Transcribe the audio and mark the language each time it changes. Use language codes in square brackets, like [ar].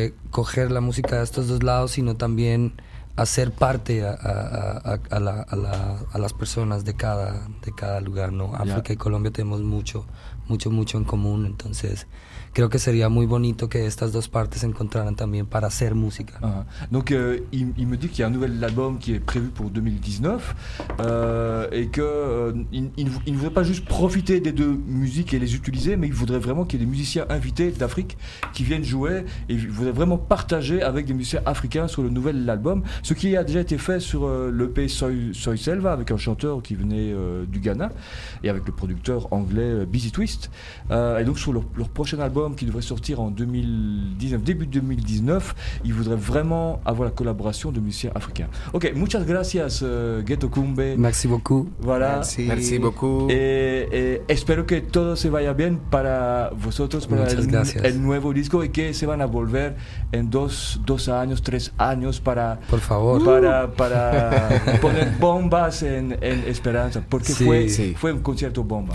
[es] coger la música de estos dos lados, sino también hacer parte a las personas de cada lugar, ¿no? África y Colombia tenemos mucho, mucho, mucho en común, entonces creo que sería muy bonito que estas dos partes se encontraran también para hacer música. Uh-huh. [fr] Donc, il me dit qu'il y a un nouvel album qui est prévu pour 2019 et que il ne voudrait pas juste profiter des deux musiques et les utiliser, mais il voudrait vraiment qu'il y ait des musiciens invités d'Afrique qui viennent jouer, et il voudrait vraiment partager avec des musiciens africains sur le nouvel album, ce qui a déjà été fait sur l'EP Soy Selva avec un chanteur qui venait du Ghana et avec le producteur anglais Busy Twist. Et donc sur leur prochain album qui devrait sortir en 2019, début 2019, il voudrait vraiment avoir la collaboration de musiciens africains. [es] Ok, muchas gracias, Ghetto Kumbe. [fr] Merci beaucoup. Voilà. Merci beaucoup. [es] Et espero que todo se vaya bien para vosotros, para el nuevo disco, y que se van a volver en dos años, tres años para... Por favor. Para poner bombas en Esperanza, porque fue un concierto bomba.